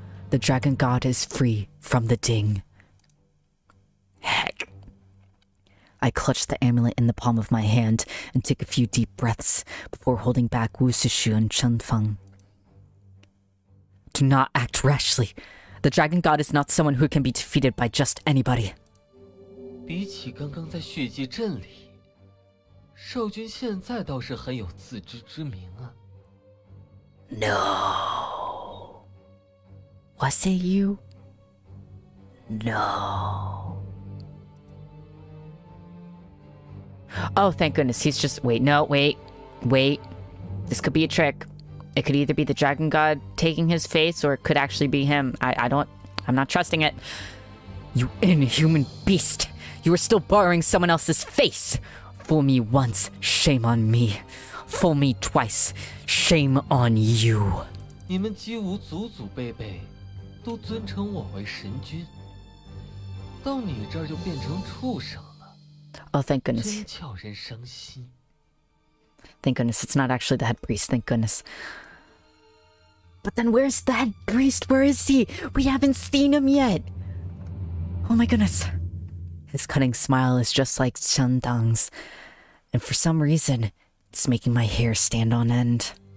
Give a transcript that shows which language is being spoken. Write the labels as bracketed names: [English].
[English] The Dragon God is free from the Ding. Heck. I clutch the amulet in the palm of my hand and take a few deep breaths before holding back Wu Sishu and Chen Feng. Do not act rashly. The Dragon God is not someone who can be defeated by just anybody. [Chinese] 比起刚刚在血迹镇里, 少君现在倒是很有自知之明啊。 [English] No. Was it you? No. Oh, thank goodness. He's just... Wait, no, wait. Wait. This could be a trick. It could either be the Dragon God taking his face, or it could actually be him. I'm not trusting it. You inhuman beast! You are still borrowing someone else's face! Fool me once, shame on me. Fool me twice, shame on you. [Chinese] 你们姬武祖祖辈辈都尊称我为神君，到你这儿就变成畜生了。 [English] Oh, thank goodness. [Chinese] 真叫人伤心。 [English] Thank goodness, it's not actually the head priest, thank goodness. But then where's the head priest? Where is he? We haven't seen him yet. Oh my goodness. His cunning smile is just like Chen Dang's. And for some reason, it's making my hair stand on end.